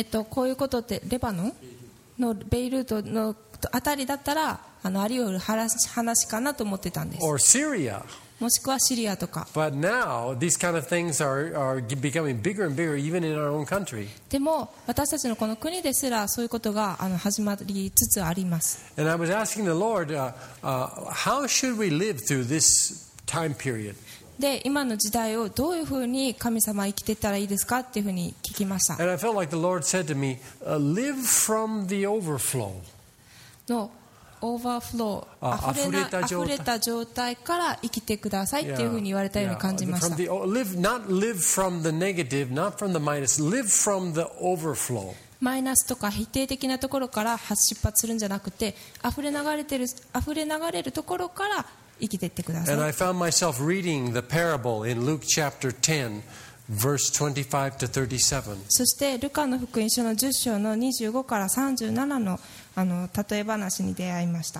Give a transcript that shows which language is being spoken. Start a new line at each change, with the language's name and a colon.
Japanese: こういうことってレバノンのベイルートのあたりだったら、あり得る話かなと思ってたんです。
English: Or Syria.
Japanese: もしくはシリアとか。
English: But now these kind of things are becoming bigger and bigger even in our own country.
Japanese: でも私たちのこの国ですらそういうことが始まりつつあります。
English: And I was asking the Lord, how should we live through this time period?
Japanese: で今の時代をどういうふうに神様生きていったらいいですかっていうふうに聞きました。
English: And I felt like the Lord said to me, live from the overflow. No, overflow.
Japanese: 溢れた状態から生きてくださいっていうふうに言われたように感じました。
English: Live from the negative, not from the minus. Live from the overflow.
Japanese: マイナスとか否定的なところから出発するんじゃなくて、溢れ流れるところから生きていってください。
English: And I found myself reading the parable in Luke chapter 10, verse 25 to 37.
Japanese: そしてルカの福音書の10章の25から37の例え話に出会いました。